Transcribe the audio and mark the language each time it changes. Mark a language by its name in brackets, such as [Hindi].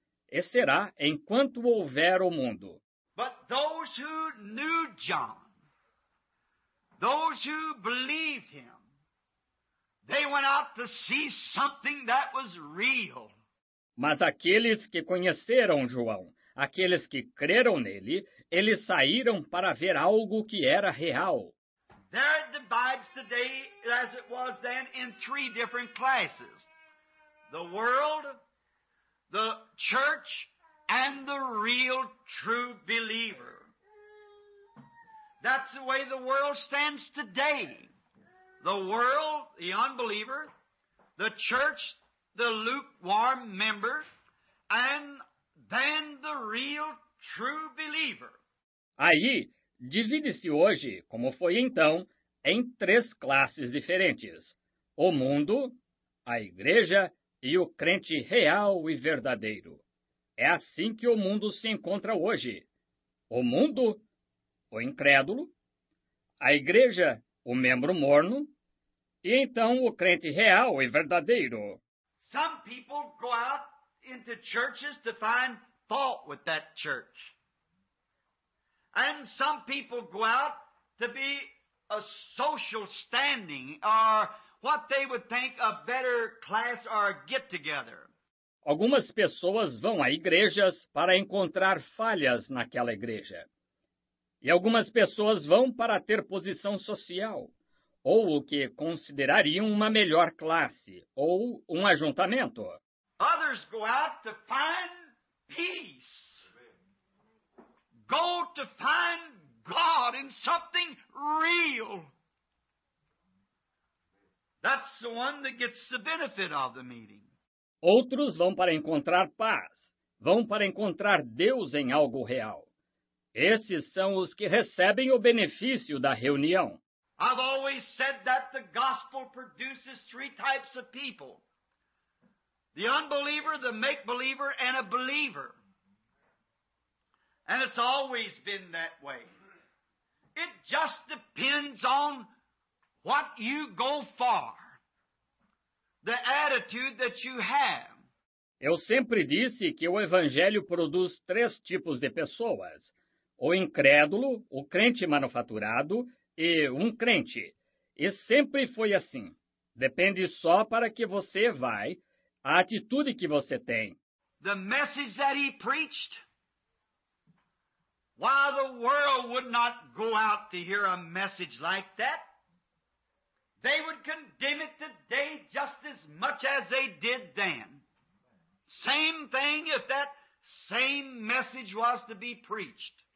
[Portuguese] E será enquanto houver o mundo. [English] But those who knew John, those who believed him, they went out to see something that was real. [Portuguese] Mas aqueles que conheceram João, aqueles que creram nele, eles saíram para ver algo que era real. [English] There it divides today as it was then in three different classes: the world, the church, and the real true believer. That's the way the world stands today. The world, the unbeliever, the church, the lukewarm member, and then the real true believer. [Portuguese] Aí, divide-se hoje, como foi então, em três classes diferentes: o mundo, a igreja e o crente real e verdadeiro. É assim que o mundo se encontra hoje: o mundo, o incrédulo, a igreja, o membro morno, e então o crente real e verdadeiro. [English] Some people go out into churches to find fault with that church. And some people go out to be a social standing or what they would think a better class or get together. [Portuguese] Algumas pessoas vão a igrejas para encontrar falhas naquela igreja. E algumas pessoas vão para ter posição social, ou o que considerariam uma melhor classe, ou um ajuntamento. [English] Others go out to find peace. Go to find God in something real. That's the one that gets the benefit of the meeting. [Portuguese] Outros vão para encontrar paz, vão para encontrar Deus em algo real. Esses são os que recebem o benefício da reunião. [English] I've always said that the gospel produces three types of people: the unbeliever, the make-believer, and a believer. And it's always been that way. It just depends on what you go for. The attitude that you have. [Portuguese] Eu sempre disse que o Evangelho produz três tipos de pessoas: o incrédulo, o crente manufaturado e um crente. E sempre foi assim. Depende só para que você vai, a atitude que você tem. [English] The message that he preached, why the world would not go out to hear a message like that? They would condemn it today just as much as they did then. Same thing if that same message was to be preached.